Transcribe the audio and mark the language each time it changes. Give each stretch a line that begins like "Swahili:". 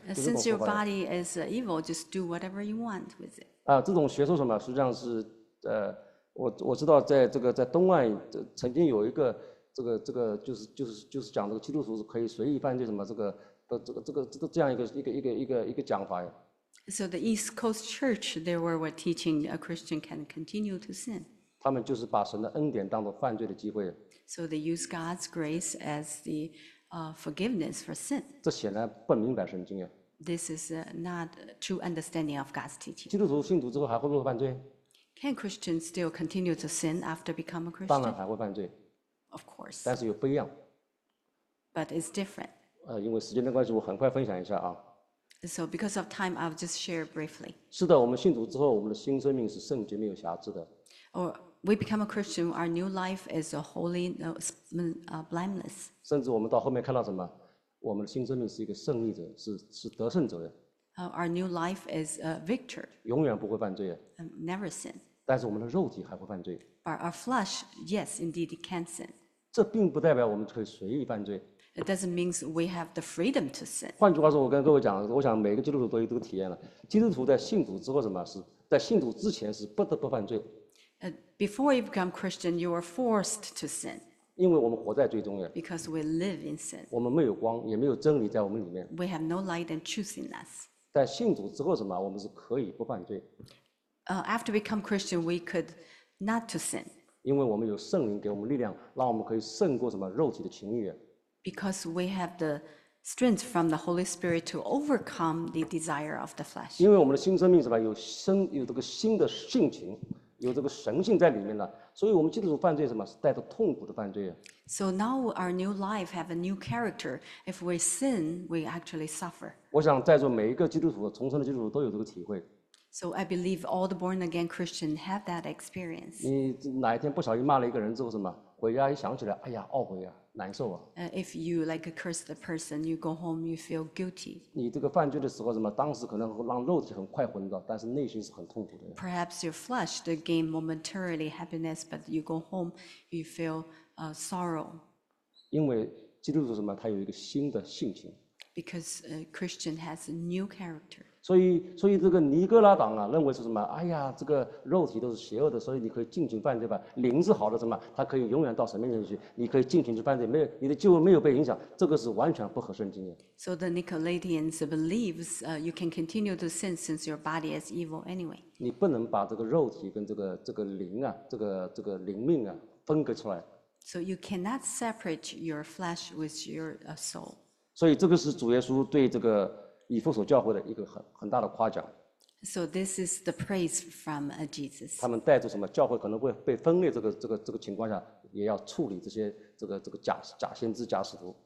English: Since your body is evil, just do whatever you want with it.
Chinese: 啊，这种学说什么？实际上是我知道在这个在东岸曾经有一个这个就是讲这个基督徒是可以随意犯罪什么这个这样一个讲法呀。
English: So the East Coast Church, they were teaching a Christian can continue to sin.
Chinese: 他们就是把神的恩典当作犯罪的机会。
English: So they use God's grace as the forgiveness for sin.
Chinese: 这显然不明白圣经呀。
English: This is not true understanding of God's teaching.
Chinese: 基督徒信徒之后还会不会犯罪？
English: Can Christians still continue to sin after become a Christian?
Chinese: 当然还会犯罪。
English: Of course.
Chinese: 但是又不一样。
English: But it's different.
Chinese: 因为时间的关系，我很快分享一下啊。
English: So because of time, I'll just share briefly.
Chinese: 是的，我们信主之后，我们的新生命是圣洁没有瑕疵的。
English: Or we become a Christian, our new life is a holy, blameless.
Chinese: 甚至我们到后面看到什么，我们的新生命是一个胜利者，是得胜者的。
English: Our new life is a victor.
Chinese: 永远不会犯罪。
English: Never sin.
Chinese: 但是我们的肉体还会犯罪。
English: But our flesh, yes, indeed, can sin.
Chinese: 这并不代表我们可以随意犯罪。
English: It doesn't mean we have the freedom to sin.
Chinese: 换句话说，我跟各位讲，我想每个基督徒都有这个体验了。基督徒在信主之后，什么是在信主之前是不得不犯罪。
English: Before you become Christian, you are forced to sin.
Chinese: 因为我们活在罪中。
English: Because we live in sin.
Chinese: 我们没有光，也没有真理在我们里面。
English: We have no light and truth in us.
Chinese: 在信主之后什么我们是可以不犯罪。
English: After we become Christian, we could not to sin.
Chinese: 因为我们有圣灵给我们力量，让我们可以胜过什么肉体的情欲。
English: Because we have the strength from the Holy Spirit to overcome the desire of the flesh.
Chinese: 因为我们的新生命是吧，有这个新的性情，有这个神性在里面了，所以我们基督徒犯罪什么是带着痛苦的犯罪。
English: So now our new life have a new character. If we sin, we actually suffer.
Chinese: 我想在座每一个基督徒，重生的基督徒都有这个体会。
English: So I believe all the born again Christian have that experience.
Chinese: 你哪一天不小心骂了一个人之后什么，回家一想起来，哎呀，懊悔啊，难受啊。
English: If you like curse the person, you go home, you feel guilty.
Chinese: 你这个犯罪的时候什么，当时可能让肉体很快昏倒，但是内心是很痛苦的。
English: Perhaps your flesh to gain momentarily happiness, but you go home, you feel sorrow.
Chinese: 因为基督徒什么，他有一个新的性情。
English: Because a Christian has a new character.
Chinese: 所以这个尼哥拉党啊，认为是什么？哎呀，这个肉体都是邪恶的，所以你可以尽情犯罪吧。灵是好的，什么？他可以永远到神面前去，你可以尽情去犯罪，没有你的救恩没有被影响，这个是完全不合圣经的。
English: So the Nicolaitans believes, you can continue to sin since your body is evil anyway.
Chinese: 你不能把这个肉体跟这个灵啊，这个灵命啊分割出来。
English: So you cannot separate your flesh with your soul.
Chinese: 所以这个是主耶稣对这个以弗所教会的一个 很大的夸奖。
English: So this is the praise from Jesus.
Chinese: 他们带着什么教会可能会被分裂这个情况下，也要处理这些这个假先知假使徒。